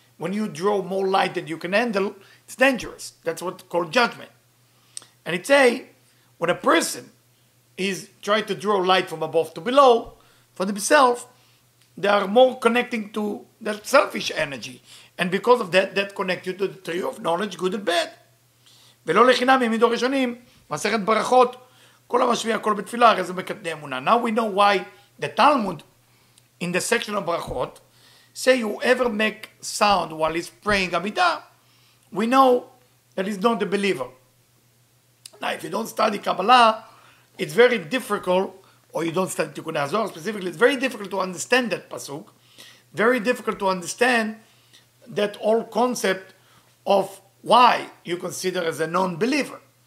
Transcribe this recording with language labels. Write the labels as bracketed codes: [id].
[en] When you draw more light than you can handle, it's dangerous. That's what's called judgment. And it say, when a person is trying to draw light from above to below, for themselves, they are more connecting to that selfish energy. And because of that, that connects you to the tree of knowledge, good and bad. [he] ולא לחינם ימידו ראשונים, מסכת ברכות, כל המשמיע הכל בתפילה, הרי זה מקדני אמונה. [en] Now we know why the Talmud, in the section of ברכות, say whoever make sound while he's praying Amidah, we know that he's not a believer. Now if you don't study Kabbalah, it's very difficult, or you don't study Tikkunei Zohar specifically, it's very difficult to understand that pasuk, very difficult to understand that whole concept of why you consider as a non-believer.